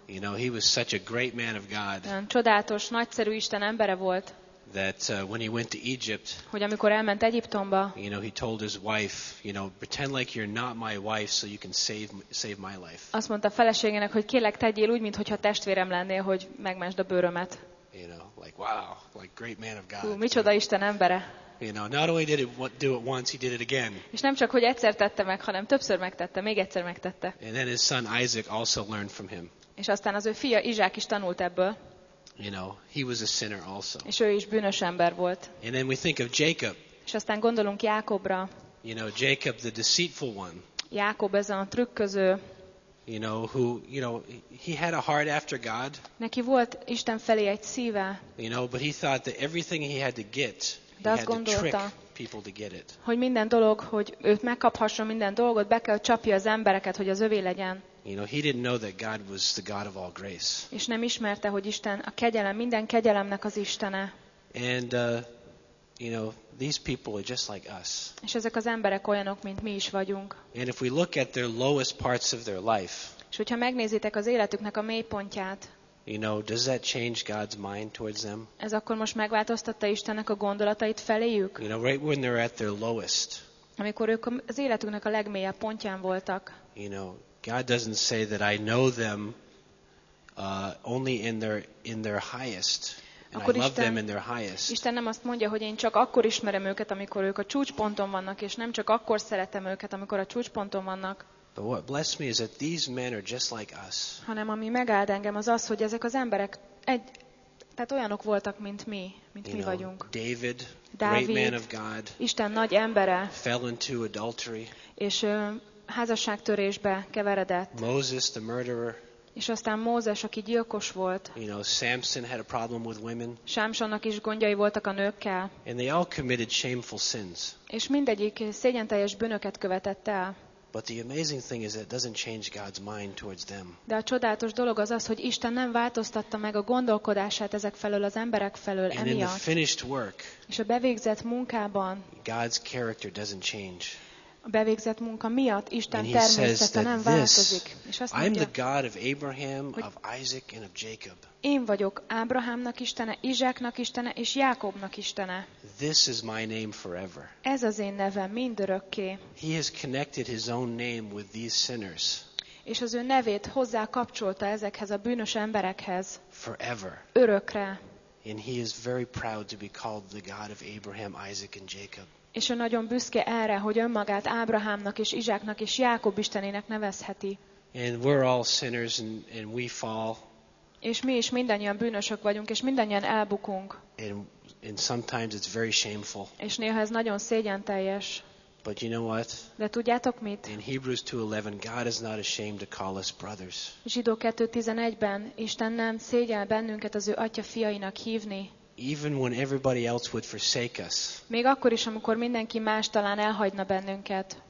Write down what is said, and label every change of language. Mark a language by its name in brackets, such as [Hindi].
[English] You know, he was such a great man of God. [Hungarian] Olyan csodálatos, nagyszerű Isten embere volt. [English] That when he went to Egypt. [Hungarian] Hogy amikor elment Egyiptomba. [English] You know, he told his wife, you know, pretend like you're not my wife so you can save my life. [Hungarian] Azt mondta a feleségének, hogy kérlek, tegyél úgy, mintha testvérem lennél, hogy megmentsd a bőrömet. [English] You know, like wow, like great man of God. [Hungarian] Micsoda Isten embere. [English] You know, not only did he do it once, he did it again. [Hungarian] És nem csak hogy egyszer tette meg, hanem többször megtette, még egyszer megtette. [English] And then his son Isaac also learned from him. [Hungarian] És aztán az ő fia Izsák is tanult ebből. [English] You know, he was a sinner also. [Hungarian] És ő is bűnös ember volt. [English] And then we think of Jacob. [Hungarian] És aztán gondolunk Jákobra. [English] You know, Jacob the deceitful one. [Hungarian] Jákob ez a trükköző. [English] You know, who, you know, he had a heart after God. [Hungarian] Neki volt Isten felé egy szíve. [English] You know, but he thought that everything he had to get. [Hungarian] De azt gondolta, [English] to get it. [Hungarian] Hogy minden dolog, hogy őt megkaphasson minden dolgot, be kell csapja az embereket, hogy az övé legyen. [English] You know, he didn't know that God was the God of all grace. [Hungarian] És nem ismerte, hogy Isten a kegyelem, minden kegyelemnek az Istene. [English] And you know, these people are just like us. [Hungarian] És ezek az emberek olyanok, mint mi is vagyunk. [English] And if we look at their lowest parts of their life. [Hungarian] És hogyha megnézitek az életüknek a mélypontját. [English] You know, does that change God's mind towards them? [Hungarian] Ez akkor most megváltoztatta Istennek a gondolatait feléjük? [English] You know, right when they're at their lowest. [Hungarian] Amikor ők az életüknek a legmélyebb pontján voltak. [English] You know, God doesn't say that I know them only in their highest. [Hungarian] Akkor [English] Isten, I love them in their highest. [Hungarian] Isten nem azt mondja, hogy én csak akkor ismerem őket, amikor ők a csúcsponton vannak, és nem csak akkor szeretem őket, amikor a csúcsponton vannak. [English] But what blessed me is that these men are just like us. [Hungarian] Hanem ami megáld engem az az, hogy ezek az emberek egy, tehát olyanok voltak, mint mi, mint [English] you [Hungarian] mi [English] know, [Hungarian] vagyunk. [English] David, [Hungarian] Dávid, [English] great man of God, [Hungarian] Isten nagy embere, [English] fell into adultery, [Hungarian] és házasságtörésbe keveredett. [English] Moses, the murderer, [Hungarian] és aztán Mózes, aki gyilkos volt. [English] You know, Samson had a problem with women. [Hungarian] Sámsonnak is gondjai voltak a nőkkel. [English] And they all committed shameful sins. [Hungarian] És mindegyik szégyenteljes bűnöket követett el. [English] But the amazing thing is that it doesn't change God's mind towards them. [Hungarian] De a csodálatos dolog az az, hogy Isten nem változtatta meg a gondolkodását ezek felől, az emberek felől emiatt. [English] And in the finished work, [Hungarian] és a bevégzett munkában, [English] God's character doesn't change. [Hungarian] A bevégzett munka miatt Isten természete nem változik. És azt mondja, [English] I'm the God of Abraham, of Isaac, and of Jacob. [Hungarian] Én vagyok Ábrahámnak Istene, Izsáknak Istene és Jákobnak Istene. [English] This is my name forever. [Hungarian] Ez az én nevem mindörökké. [English] He has connected his own name with these sinners. [Hungarian] És az ő nevét hozzá kapcsolta ezekhez a bűnös emberekhez. [English] Forever. [Hungarian] Örökre. [English] And he is very proud to be called the God of Abraham, Isaac and Jacob. [Hungarian] És ő nagyon büszke erre, hogy önmagát Ábrahámnak és Izsáknak és Jákob istenének nevezheti. [English] And we're all sinners and we fall. [Hungarian] És mi is mindannyian bűnösök vagyunk, és mindannyian elbukunk. [English] And sometimes it's very shameful. [Hungarian] És néha ez nagyon szégyenteljes. [English] But you know what? [Hungarian] De tudjátok mit? [English] In Hebrews 2:11, God is not ashamed to call us brothers. [Hungarian] Zsidó 2:11-ben Isten nem szégyel bennünket az ő atya fiainak hívni. [English] Even when everybody else would forsake us. [Hungarian] Még akkor is, amikor mindenki más talán elhagyna bennünket.